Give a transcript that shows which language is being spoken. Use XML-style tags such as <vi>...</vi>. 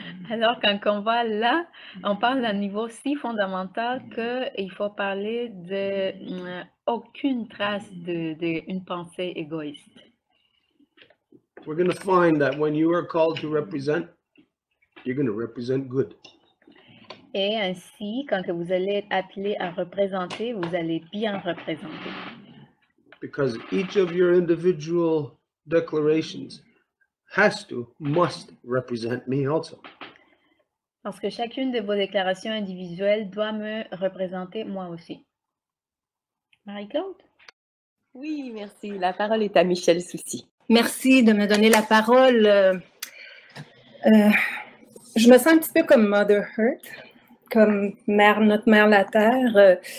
<fr>Alors quand on va là, on parle d'un niveau si fondamental qu'il faut parler de aucune trace d'une pensée égoïste.</fr> <en>We're going to find that when you are called to represent, you're going to represent good.</en> <fr>Et ainsi, quand vous allez être appelé à représenter, vous allez bien représenter.</fr> <en>Because each of your individual declarations has to, must represent me also.</en> <fr>Parce que chacune de vos déclarations individuelles doit me représenter moi aussi. Marie-Claude? Oui, merci. La parole est à Michel Soucy. Merci de me donner la parole. Je me sens un petit peu comme</fr> <en>Mother Earth,</en> <fr>comme notre mère la Terre.</fr>